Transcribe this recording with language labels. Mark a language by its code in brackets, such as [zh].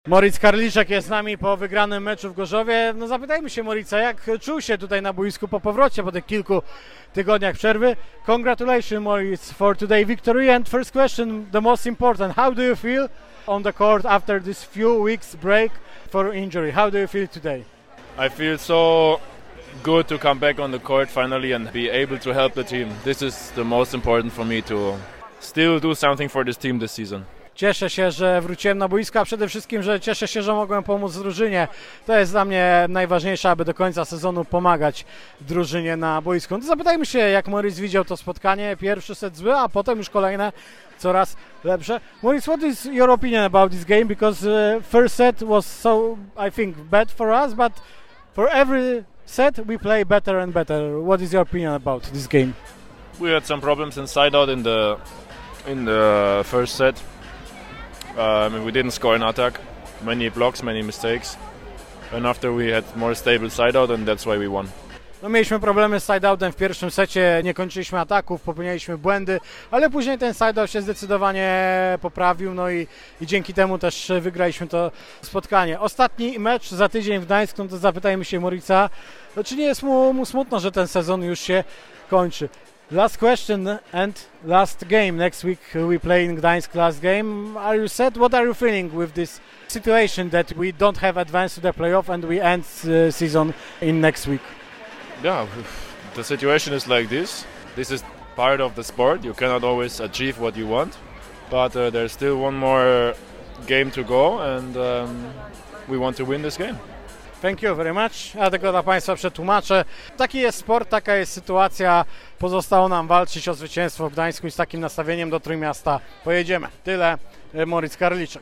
[pl] Moritz Karliczak jest z nami po wygranym meczu w Gorzowie. No zapytajmy się Moritza, jak czuł się tutaj na boisku po powrocie, po tych kilku tygodniach przerwy. [en] Congratulations, Moritz, for today victory. And first question, the most important, how do you feel on the court after this few weeks break for injury? How do you feel today? I feel so good to come back on the court finally and be able to help the team. This is the most important for me to still do something for this team this season. [pl] Cieszę się, że wróciłem na boisko, a przede wszystkim, że cieszę się, że mogłem pomóc drużynie. To jest dla mnie najważniejsze, aby do końca sezonu pomagać drużynie na boisku. No zapytajmy się, jak Moritz widział to spotkanie. Pierwszy set zły, a potem już kolejne coraz lepsze. [en] Moritz, what is your opinion about this game? Because first set was so, I think, bad for us, but for every set we play better and better. What is your opinion about this game? We had some problems inside out in the first set. We didn't score an attack, many blocks, many mistakes, and after we had more stable side out, and that's why we won. [pl] No, mieliśmy problemy z side outem w pierwszym secie, nie kończyliśmy ataków, popełnialiśmy błędy, ale później ten side out się zdecydowanie poprawił, no i dzięki temu też wygraliśmy to spotkanie. Ostatni mecz za tydzień w Gdańsku, to zapytajmy się Moritza, no, czy nie jest mu smutno, że ten sezon już się kończy? [en] Last question and last game. Next week we play in Gdańsk, last game. Are you sad? What are you feeling with this situation that we don't have advance to the playoff and we end season in next week? Yeah, the situation is like this. This is part of the sport. You cannot always achieve what you want. But there's still one more game to go and we want to win this game. Thank you very much. [pl] Ja tego dla Państwa przetłumaczę. Taki jest sport, taka jest sytuacja. Pozostało nam walczyć o zwycięstwo w Gdańsku i z takim nastawieniem do Trójmiasta pojedziemy. Tyle, Moritz Karliczak.